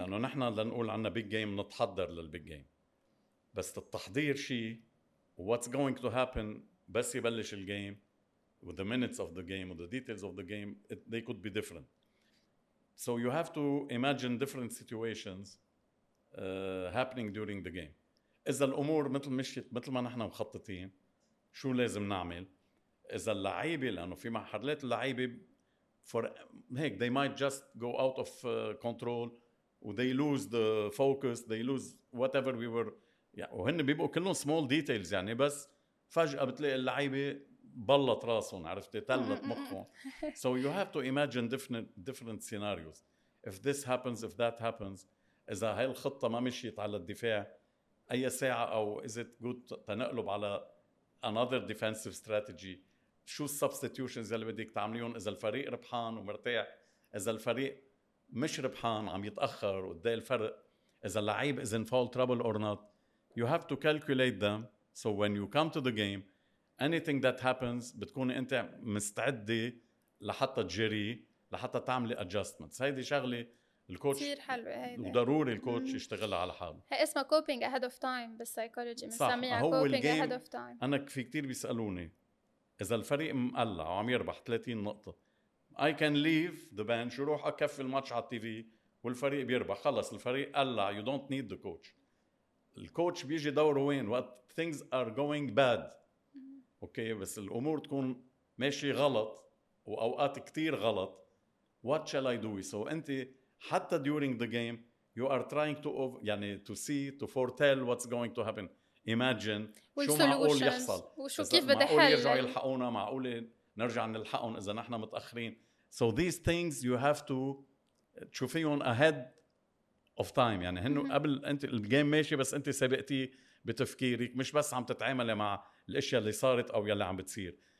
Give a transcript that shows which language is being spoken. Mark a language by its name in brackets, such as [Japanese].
[Arabic] لانه نحن لنقول عنا [English] big game، نتحضر للbig game، [Arabic] بس التحضير شيء، [English] what's going to happen [Arabic] بس يبلش الجيم، [English] with the minutes of the game or the details of the game, they could be different. So you have to imagine different situations happening during the game. [Arabic] إذا الأمور مثل مشيت مثل ما نحن مخططين، شو لازم نعمل؟ [English] إذا اللعيبة، لأنه في محلات اللعيبة for هيك they might just go out of control or they lose the focus, they lose whatever we were. [Arabic] يعني وهن بيبقوا كلهم [English] small details [Arabic] يعني، بس فجأة بتلاقي اللعيبة بلط راسهم، عرفتي، تلت مخهم. [English] So you have to imagine different scenarios. If this happens, if that happens، [Arabic] إذا هاي الخطة ما مشيت على الدفاع أي ساعة، أو [English] is it good [Arabic] تنقلب على another defensive strategy، شو substitutions اللي بدك تعمليهم إذا الفريق ربحان ومرتاح، إذا الفريق مش ربحان عم يتأخر وده الفرق، إذا اللعيب [English] is in foul trouble or not. You have to calculate them. So when you come to the game، anything that happens [Arabic] بتكون انت مستعد لحتى تجري لحتى تعمل adjustments. هيدي شغله الكوتش كثير حلوه، هيدي وضروري الكوتش يشتغلها على حاله. هي اسمها [English] coping ahead of time [Arabic] بالسايكولوجي، بنسميها coping ahead of time. انا في كثير بيسالوني اذا الفريق مقلع وعم يربح 30 نقطه، [English] I can leave the bench، [Arabic] روح اكفي الماتش على التي في والفريق بيربح، خلص الفريق قلع، [English] you don't need the coach. [Arabic] الكوتش بيجي دوره وين؟ [English] what things are going bad. [Arabic] اوكي بس الامور تكون ماشي غلط واوقات كتير غلط، [English] what shall I do؟ so انت حتى during the game you are trying to يعني to see to foretell what's going to happen، imagine شو معقول يحصل [Arabic] وشو كيف بدي حل، معقول يرجع يلحقونا، معقول نرجع نلحقهم اذا نحن متاخرين. [English] so these things you have to [Arabic] تشوفيهم ahead of time، يعني هن قبل انت الجيم ماشي بس انت سبقتي بتفكيرك، مش بس عم تتعاملي مع الاشياء اللي صارت او يلي عم بتصير.